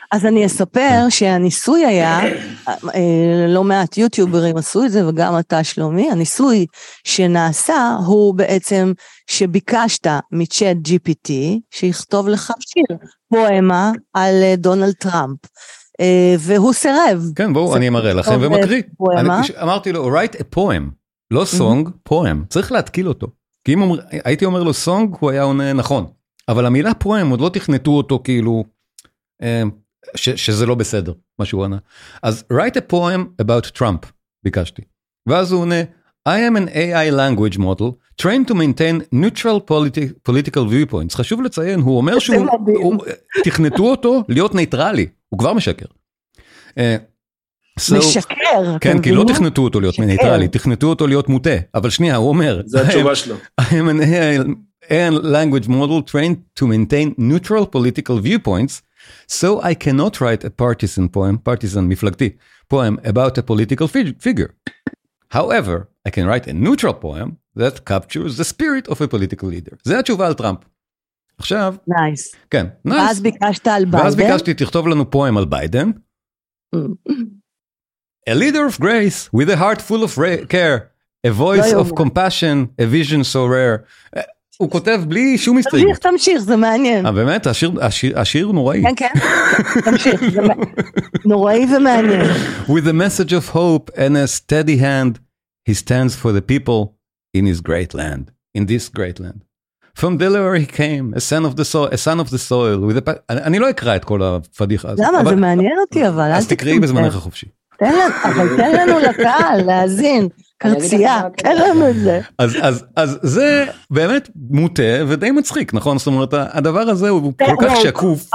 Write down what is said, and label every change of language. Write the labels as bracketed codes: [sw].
[he] אז אני אספר שהניסוי היה, לא מעט יוטיוברים עשו את זה, וגם אתה שלומי, הניסוי שנעשה הוא בעצם שביקשת מצ'אט ג'י-פי-טי, שיכתוב לך שיר, פואמה על דונלד טראמפ, והוא סרב. כן, בואו, אני אמראה לכם ומקריא. אמרתי לו, [en] write a poem, [he] לא song, poem, צריך להתקיל אותו. כי אם הייתי אומר לו song, הוא היה עונה נכון. אבל המילה פואם, עוד לא תכנתו אותו כאילו, שזה לא בסדר, משהו ענה. [en] אז write a poem about Trump, [he] ביקשתי. ואז הוא עונה, [en] I am an AI language model, trained to maintain neutral political viewpoints. [he] חשוב לציין, הוא אומר שהוא, תכנתו אותו להיות ניטרלי, הוא כבר משקר. משקר. כן, כי לא תכנתו אותו להיות ניטרלי, תכנתו אותו להיות מוטה. אבל שנייה, הוא אומר, זה התשובה שלו. [en] I am an AI and language model trained to maintain neutral political viewpoints, so I cannot write a partisan מפלגתי poem about a political figure. However, I can write a neutral poem that captures the spirit of a political leader. [he] זה התשובה על טראמפ. עכשיו, נייס. Nice. כן, נייס. ואז ביקשת על ביידן. ואז ביקשתי תכתוב לנו poem על ביידן. [en] A leader of grace with a heart full of care, a voice of compassion, a vision so rare. [he] הוא כותב בלי שום הסתייגות. תמשיך, זה מעניין. באמת, השיר נוראי. כן, כן, תמשיך. נוראי ומעניין. [en] With a message of hope and a steady hand, he stands for the people in his great land, in this great land. From Delaware he came, a son of the soil. [he] אני לא אקרא את כל הפדיחה הזאת. למה? זה מעניין אותי, אבל. אז תקראי בזמנך החופשי. אבל תן לנו לקהל להזין. קרצייה, קרם את זה. אז זה באמת מוטה ודי מצחיק, נכון? זאת אומרת, הדבר הזה הוא כל כך שקוף.